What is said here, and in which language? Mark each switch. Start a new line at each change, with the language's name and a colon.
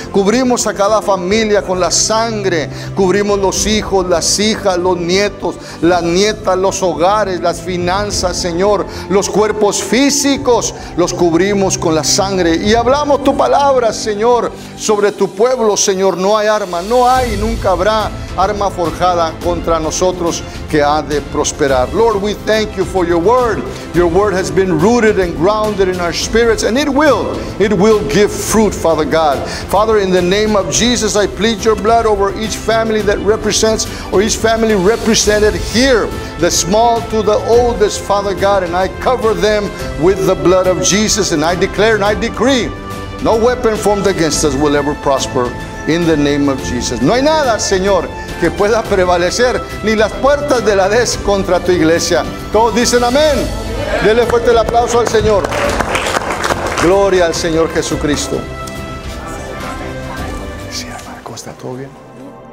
Spanish: Cubrimos a cada familia con la sangre. Cubrimos los hijos, las hijas, los nietos, las nietas, los hogares, las finanzas, Señor. Los cuerpos físicos los cubrimos con la sangre. Y hablamos tu palabra, Señor, sobre tu pueblo, Señor. No hay arma, no hay y nunca habrá arma forjada contra nosotros que ha de prosperar.
English: Lord, we thank you for your word. Your word has been rooted and grounded in our spirits, and it will give fruit, Father God. Father, in the name of Jesus, I plead your blood over each family that represents, or each family represented here, the small to the oldest, Father God, and I cover them with the blood of Jesus, and I declare and I decree, no weapon formed against us will ever prosper. In the name of Jesus.
Spanish: No hay nada, Señor, que pueda prevalecer, ni las puertas de la des contra tu iglesia. Todos dicen amén. Denle fuerte el aplauso al Señor. Gloria al Señor Jesucristo. Sí, hermano, ¿cómo está? ¿Todo bien?